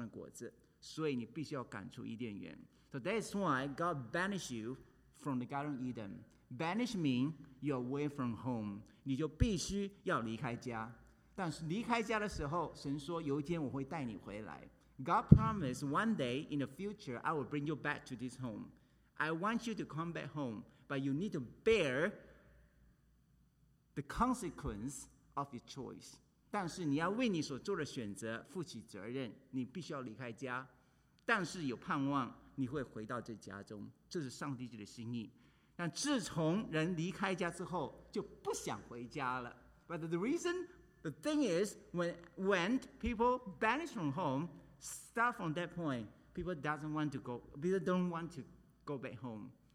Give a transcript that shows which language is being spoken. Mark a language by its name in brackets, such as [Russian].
[Chinese] 他们就永远活着。第一，神不要人继续活在痛苦的当中，因为你吃了分别善恶树上的，你吃了生命树，你就永远活着，而且是活在痛苦当中。神知道你要活在痛苦当中，如果你吃了生命树上的果子，所以你必须要赶出伊甸园。 [English] So that is why God banished you from the Garden of Eden. Banish means you're away from home. [Chinese] 你就必须要离开家。但是离开家的时候，神说：“有一天我会带你回来。” [English] God promised one day in the future I will bring you back to this home. I want you to come back home, but you need to bear the consequence of your choice. [Chinese] 但是你要为你所做的选择负起责任，你必须要离开家。但是有盼望你会回到这家中，这是上帝的心意。但自从人离开家之后，就不想回家了。 [English] But the reason. The thing is, when people banish from home, start from that point, people doesn't want to go, people don't want to go back home.